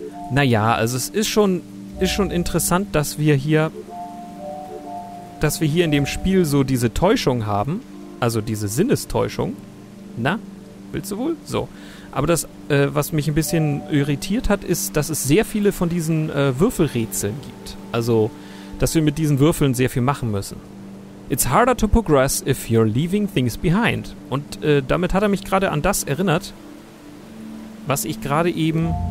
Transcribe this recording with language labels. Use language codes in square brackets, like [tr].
[de] naja, also es ist schon... Ist schon interessant, dass wir hier in dem Spiel so diese Täuschung haben. Also diese Sinnestäuschung. Na, willst du wohl? So. Aber das, was mich ein bisschen irritiert hat, ist, dass es sehr viele von diesen Würfelrätseln gibt. Also, dass wir mit diesen Würfeln sehr viel machen müssen. [en] It's harder to progress if you're leaving things behind. [de] Und damit hat er mich gerade an das erinnert, was ich gerade eben...